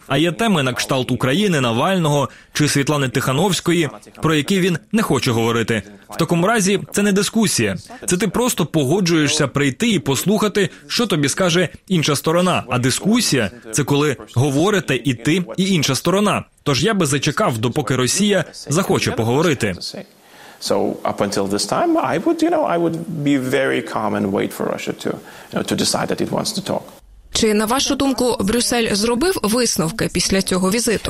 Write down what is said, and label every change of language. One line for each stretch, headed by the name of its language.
Ukrainian: А є теми на кшталт України, Навального чи Світлани Тихановської, про які він не хоче говорити. В такому разі це не дискусія. Це ти просто погоджуєшся прийти і послухати, що тобі скаже інша сторона. А дискусія – це коли говорите і ти, і інша сторона. Тож я би зачекав, допоки Росія захоче поговорити.
English: So up until this time, I would be very calm and wait for Russia to decide that it wants to talk.
Ukrainian: Чи, на вашу думку, Брюссель зробив висновки після цього візиту?